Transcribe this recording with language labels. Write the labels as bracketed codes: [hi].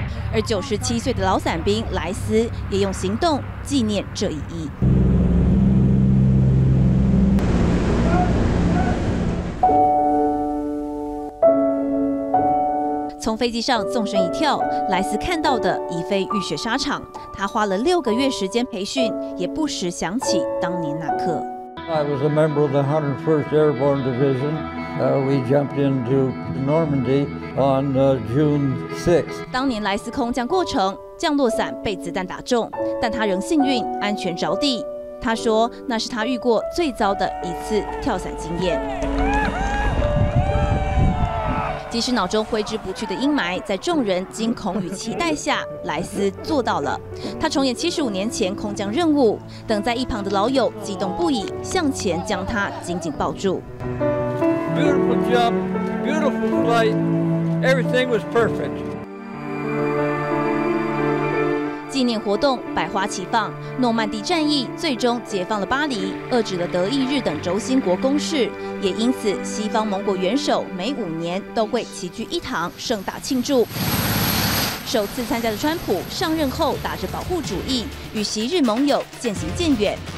[zh] 而97岁的老伞兵莱斯也用行动纪念这一役。从飞机上纵身一跳，莱斯看到的已非浴血沙场。他花了6个月时间培训，也不时想起当年那刻。 [en] I was a member of the 101st Airborne Division. We jumped into Normandy on June 6th. [zh] 当年莱斯空降过程，降落伞被子弹打中，但他仍幸运安全着地。他说，那是他遇过最糟的一次跳伞经验。即使脑中挥之不去的阴霾，在众人惊恐与期待下，莱斯做到了。他重演75年前空降任务，等在一旁的老友激动不已，向前将他紧紧抱住。 [en] Beautiful job, beautiful flight, everything was perfect. [zh] 纪念活动百花齐放，诺曼底战役最终解放了巴黎，遏制了德意日等轴心国攻势，也因此西方盟国元首每5年都会齐聚一堂盛大庆祝。首次参加的川普上任后打着保护主义，与昔日盟友渐行渐远。